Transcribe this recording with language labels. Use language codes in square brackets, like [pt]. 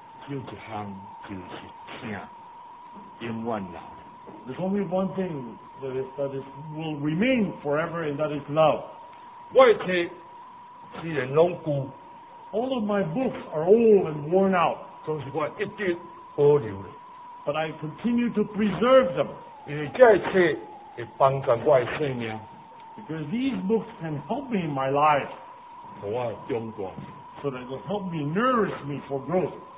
[en] There's only one thing. That is, will remain forever, and that is love. [nan] 我的书虽然拢旧 [en] All of my books are old and worn out. [nan] 总是我一直保留的 [en] But I continue to preserve them. [nan] 因为这些书会帮助我的生命 [en] Because these books can help me in my life. [nan] 让我长大 [en] So that it will help me nourish me for growth.